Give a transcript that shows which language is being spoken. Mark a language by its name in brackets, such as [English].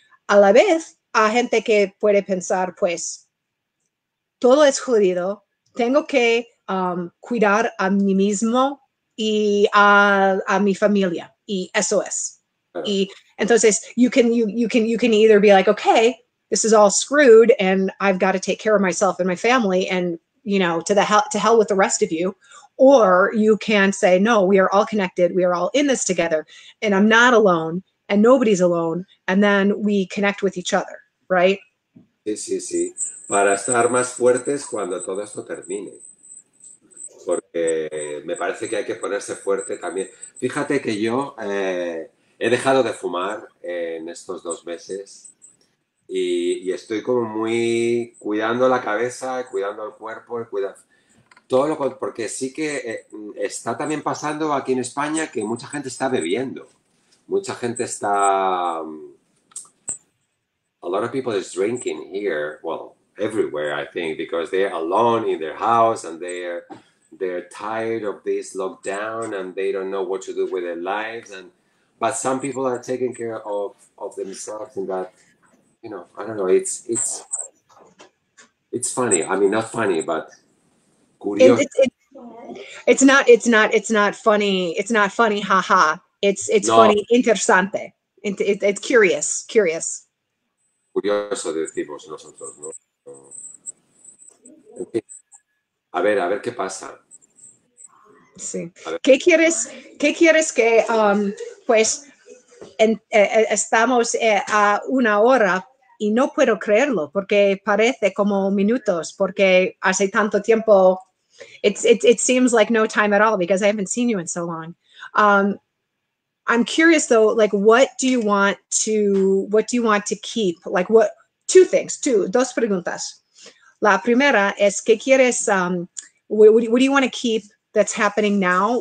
[Spanish] A la vez, a gente que puede pensar, pues, todo es jodido, tengo que cuidar a mí mismo y a mi familia, y eso es. Y entonces, [English] you can either be like, okay, this is all screwed, and I've got to take care of myself and my family, and, you know, to hell with the rest of you. Or you can say, no, we are all connected, we are all in this together, and I'm not alone, and nobody's alone, and then we connect with each other, right? [Spanish] Sí, sí, sí. Para estar más fuertes cuando todo esto termine. Porque me parece que hay que ponerse fuerte también. Fíjate que yo he dejado de fumar en estos 2 meses y estoy como muy cuidando la cabeza, cuidando el cuerpo, todo lo cual, porque sí que está también pasando aquí en España que mucha gente está bebiendo. Mucha gente está... [English] A lot of people is drinking here, well, everywhere, I think, because they're alone in their house and they're tired of this lockdown and they don't know what to do with their lives. But some people are taking care of themselves in that, you know, I don't know, it's funny. I mean, not funny, but... It's not funny, haha. It's no. Funny, interesante. It's curious. [Spanish] Curioso decimos nosotros, ¿no? En fin. A ver qué pasa. Sí. ¿Qué quieres que pues estamos a una hora? Y no puedo creerlo porque parece como minutos, porque hace tanto tiempo. [English] It seems like no time at all because I haven't seen you in so long. I'm curious though, like what do you want to keep? Like what, [Spanish] dos preguntas. La primera es que quieres, [English] what do you want to keep that's happening now?